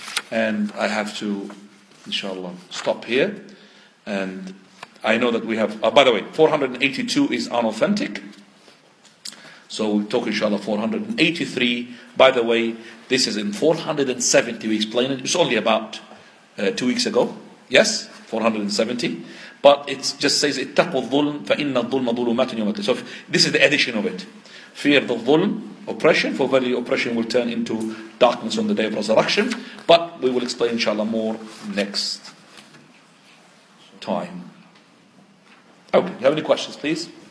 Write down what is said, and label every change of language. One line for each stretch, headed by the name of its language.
English: And I have to, inshallah, stop here. And I know that we have, by the way, 482 is unauthentic. So we talk, inshallah, 483. By the way, this is in 470, we explain it. It's only about 2 weeks ago. Yes, 470. But it just says,
Arabic: اتَّقُوا الظُّلْمُ فَإِنَّ الظُّلْمَ ظُلُمَاتٌ يَوْمَ الْقِيَامَةِ.
English: So this is the addition of it. Fear the dhulm, oppression, for verily oppression will turn into darkness on the day of resurrection. But we will explain, inshallah, more next time. Okay, you have any questions, please?